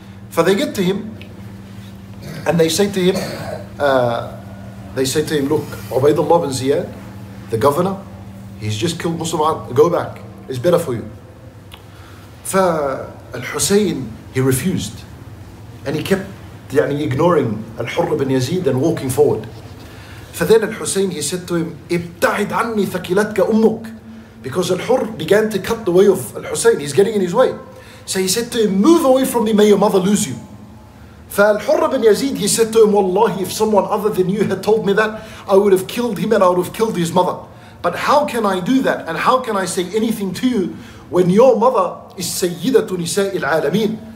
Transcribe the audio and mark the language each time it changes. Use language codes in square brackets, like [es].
[en] So they get to him and they say to him, look, Ubaydullah ibn Ziyad, the governor, he's just killed Muslim, go back. It's better for you. فالحسين, he refused. And he kept يعني ignoring الحر بن يزيد and walking forward. [ar] فذين الحسين, [en] he said to him, [ar] ابتعد عني ثكلتك أمك. [en] Because الحر began to cut the way of الحسين. He's getting in his way. So he said to him, move away from me, may your mother lose you. فالحر بن يزيد, he said to him, والله, if someone other than you had told me that, I would have killed him and I would have killed his mother. But how can I do that? And how can I say anything to you when your mother is [ar] Sayyidatu Nisa'i al-Alameen?